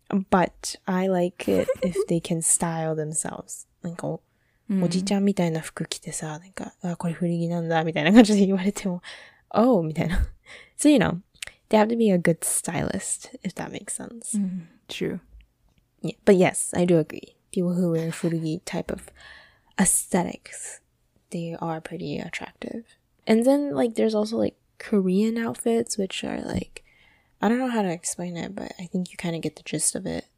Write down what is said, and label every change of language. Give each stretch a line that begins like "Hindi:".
English: But I like it if they can style themselves.
Japanese: Like, おじちゃんみたいな服着てさ、なんか、あ、これ古着なんだ、みたいな感じで言われても、oh, みたいな。
English: So, you know, they have to be a good stylist, if that makes sense. True. Yeah, but yes, I do agree. People who wear 古着 type of aesthetics, they are pretty attractive. And then, like, there's also, like, Korean outfits, which are, like, I don't know how to explain it, but I think you kind of get the gist of it.